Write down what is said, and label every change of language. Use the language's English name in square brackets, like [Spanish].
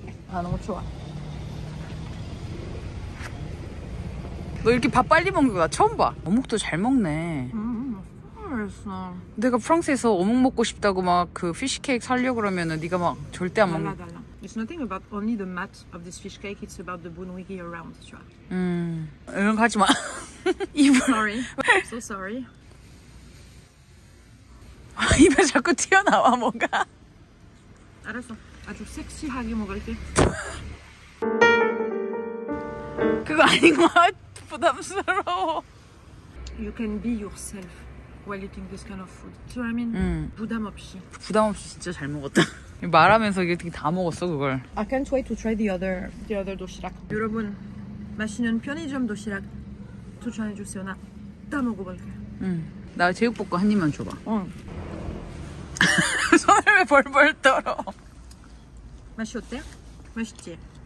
[Korean] 아, 너무 좋아. 너 이렇게 밥 빨리 먹는 거 나 처음 봐. 어묵도 잘 먹네. 맛있어. 내가 프랑스에서 어묵 먹고 싶다고 막 그 피시케이크 사려고 그러면 네가 막 절대 안 먹는. [English] It's nothing about only the mat of this fish cake, it's about the bunwigi around, [French] tu vois. [Korean] 이런 거 하지 마. [English] Sorry. I'm so sorry. [Korean] 입에 자꾸 튀어나와, 뭔가. 알았어. 아주 섹시하게 먹을게. 그거 아닌 것 같아. 부담스러워. [English] You can be yourself while eating this kind of food. So I mean, [Korean] 부담 없이. 부담 없이 진짜 잘 먹었다. 말하면서 이게 다 먹었어 그걸. [English] I can't wait to try the other 도시락. [Korean] 여러분, 맛있는 편의점 도시락 추천해 주세요. 나 다 먹어볼게. 나 제육볶음 한 입만 줘봐. 응. 손을 왜 벌벌 떨어? 맛이 어때? 맛있지?